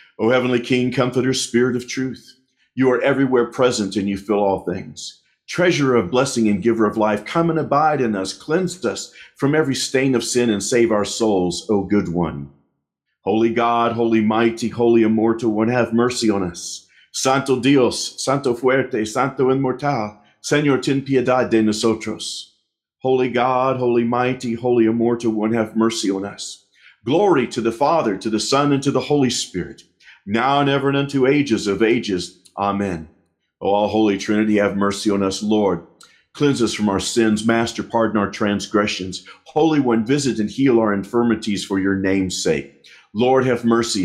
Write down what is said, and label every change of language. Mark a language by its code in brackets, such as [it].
[en] O Heavenly King, Comforter, Spirit of Truth, you are everywhere present and you fill all things. Treasurer of blessing and giver of life, come and abide in us, cleanse us from every stain of sin and save our souls, O good one. Holy God, holy mighty, holy immortal one, have mercy on us. [es] Santo Dios, Santo Fuerte, Santo Inmortal, Señor, ten piedad de nosotros. [en] Holy God, holy mighty, holy immortal one, have mercy on us. Glory to the Father, to the Son, and to the Holy Spirit, now and ever and unto ages of ages. Amen. O all Holy Trinity, have mercy on us, Lord. Cleanse us from our sins. Master, pardon our transgressions. Holy One, visit and heal our infirmities for your name's sake. Lord, have mercy.